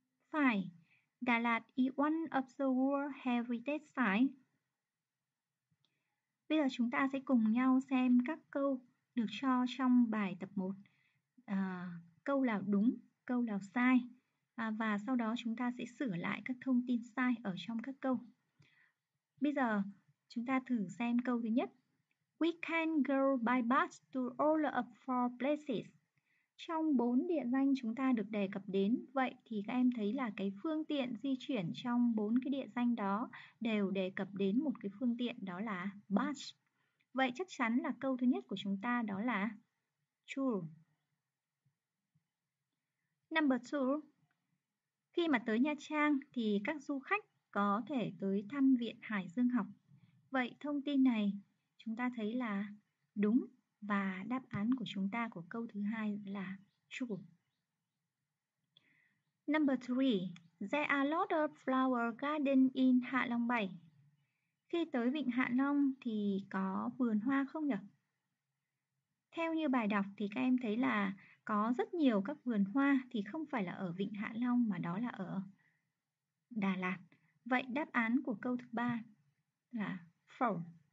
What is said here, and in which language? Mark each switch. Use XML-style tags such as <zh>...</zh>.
<en>Five, Đà Lạt is one of the World Heritage Sites.</en> <vi>Bây giờ chúng ta sẽ cùng nhau xem các câu được cho trong bài tập 1. Câu nào đúng, câu nào sai. Và sau đó chúng ta sẽ sửa lại các thông tin sai ở trong các câu. Bây giờ chúng ta thử xem câu thứ nhất.</vi> <en>We can go by bus to all of four places.</en> <vi>Trong bốn địa danh chúng ta được đề cập đến, vậy thì các em thấy là cái phương tiện di chuyển trong bốn cái địa danh đó đều đề cập đến một cái phương tiện đó là bus. Vậy chắc chắn là câu thứ nhất của chúng ta đó là tour.</vi> <en>Number two,</en> <vi>khi mà tới Nha Trang thì các du khách có thể tới thăm Viện Hải Dương Học. Vậy thông tin này chúng ta thấy là đúng. Và đáp án của chúng ta của câu thứ hai là true.</vi> <en>Number 3. There are lots of flower garden in Hạ Long Bay.</en> <vi>Khi tới vịnh Hạ Long thì có vườn hoa không nhỉ? Theo như bài đọc thì các em thấy là có rất nhiều các vườn hoa thì không phải là ở vịnh Hạ Long mà đó là ở Đà Lạt. Vậy đáp án của câu thứ ba là false.</vi>